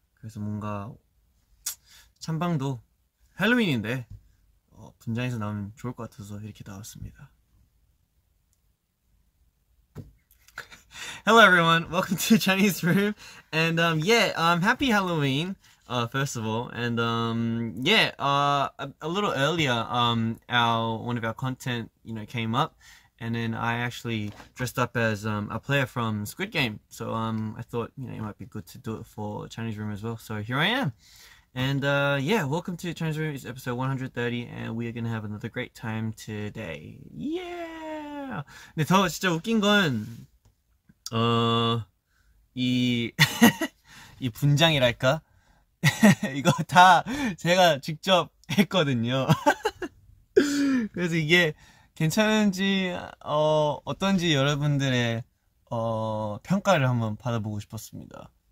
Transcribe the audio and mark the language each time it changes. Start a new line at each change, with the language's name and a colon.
Korean: 그래서 뭔가 찬방도 할로윈인데 분장해서 나오면 좋을 것 같아서 이렇게 나왔습니다.
English: Hello everyone, welcome to Chinese Room, and happy Halloween. First of all, and a little earlier, one of our content, you know, came up, and then I actually dressed up as a player from Squid Game, so I thought, you know, it might be good to do it for Chinese Room as well, so here I am, and welcome to Chinese Room, it's episode 130, and we are gonna have another great time today, yeah!
Korean: 근데 더 진짜 웃긴 건, 이 분장이랄까? 이거 다 제가 직접 했거든요. 그래서 이게 괜찮은지 어떤지 여러분들의 평가를 한번 받아보고 싶었습니다.